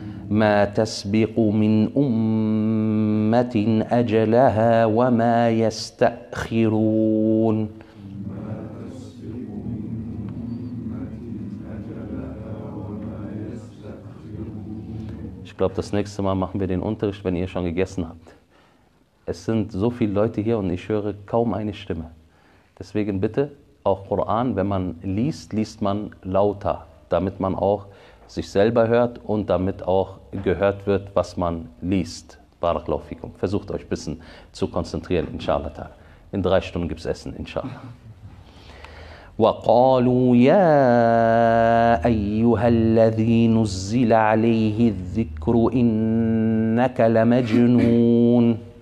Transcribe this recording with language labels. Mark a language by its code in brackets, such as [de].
[ar] ما تسبق من أمة أجلها وما يستأخرون [de] Ich glaube, das nächste Mal machen wir den Unterricht, wenn ihr schon gegessen habt. Es sind so viele Leute hier und ich höre kaum eine Stimme. Deswegen bitte, auch Koran, wenn man liest, liest man lauter, damit man auch sich selber hört und damit auch gehört wird, was man liest. Barakallahu fikum. Versucht euch ein bisschen zu konzentrieren, inshallah. In 3 Stunden gibt es Essen, inshallah. [ar] وقالوا يا أيها الذي نزل عليه الذكر إنك لمجنون